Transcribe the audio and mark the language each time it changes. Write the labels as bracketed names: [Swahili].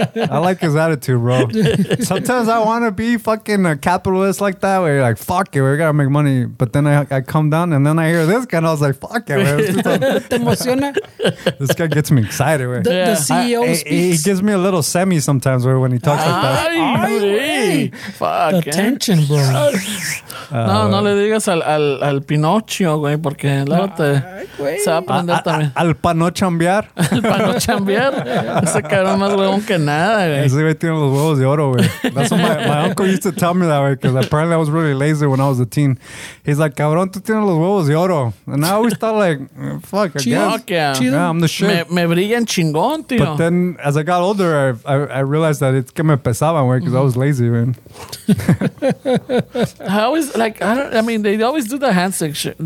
[English] I like his attitude, bro. Sometimes I want to be fucking a capitalist like that, where you're like, fuck it, we gotta make money. But then I come down and then I hear this guy, and I was like, fuck it. This guy gets me excited. The CEO speaks. He gives me a little semi sometimes, where when he talks like that. Fuck. [Spanish] No, le digas al Pinocho, güey, porque luego te se va a aprender también. Al panochambiar. Al panochambiar. Ese cabrón más huevón que nada, güey. Ese güey tiene los huevos de oro, güey. [English] That's what my uncle used to tell me that, güey, because apparently I was really lazy when I was a teen. He's like, [Spanish] cabrón, tú tienes los huevos de oro. [English] And I always thought, like, fuck, I guess. Fuck yeah. Yeah, I'm the shit. [Spanish] Me brillan chingón, tío. [English] But then, as I got older, I realized that it's [Spanish] que me pesaban, güey, [English] because I was lazy, man. I always like they always do the handshake